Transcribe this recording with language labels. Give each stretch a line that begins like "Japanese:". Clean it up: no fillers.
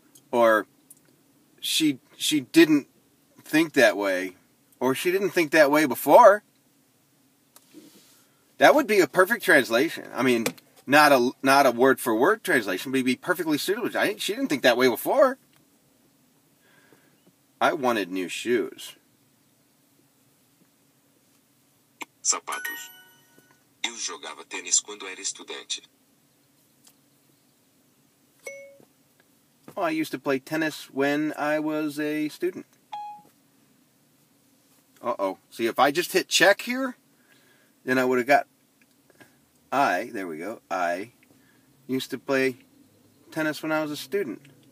English: Or she didn't think that way, or she didn't think that way before. That would be a perfect translation. I mean, not a word-for-word translation, but it'd be perfectly suitable. She didn't think that way before. I wanted new shoes.
Portuguese: Sapatos. Eu jogava tênis quando era estudante.
English: Well, I used to play tennis when I was a student. Uh-oh. See, if I just hit check here, then I would have got... I used to play tennis when I was a student.